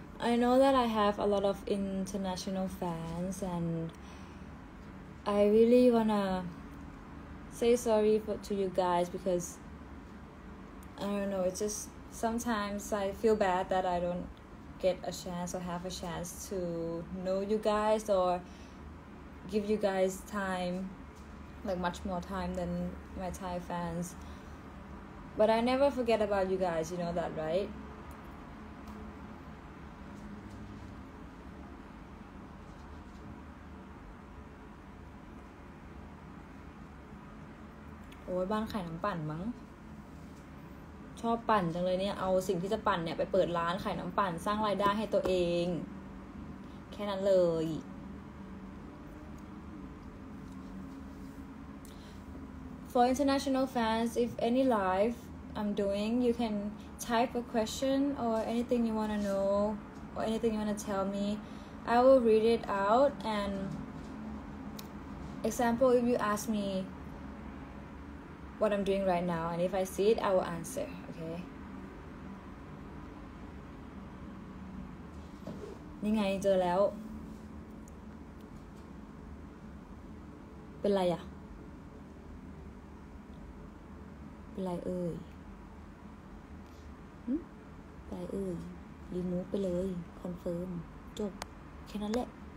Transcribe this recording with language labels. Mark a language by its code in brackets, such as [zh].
[en] I know that I have a lot of international fans and I really wanna say sorry to you guys because I don't know, it's just sometimes I feel bad that I don't get a chance or have a chance to know you guys or give you guys time, like much more time than my Thai fans. But I never forget about you guys, you know that, right? [th] โอ้ยบ้านขายน้ำปั่นมั้งชอบปั่นจังเลยเนี่ยเอาสิ่งที่จะปั่นเนี่ยไปเปิดร้านขายน้ำปั่นสร้างรายได้ให้ตัวเองแค่นั้นเลย [en] For international fans, if any live I'm doing, you can type a question or anything you wanna know or anything you wanna tell me. I will read it out and example if you ask me. What I'm doing right now, and if I see it, I will answer. Okay. [th] นี่ไงเจอแล้วเป็นไรอ่ะเป็นไรเอ่ยเป็นไรเอ่ยรีมูฟไปเลยคอนเฟิร์มจบแค่นั้นแหละ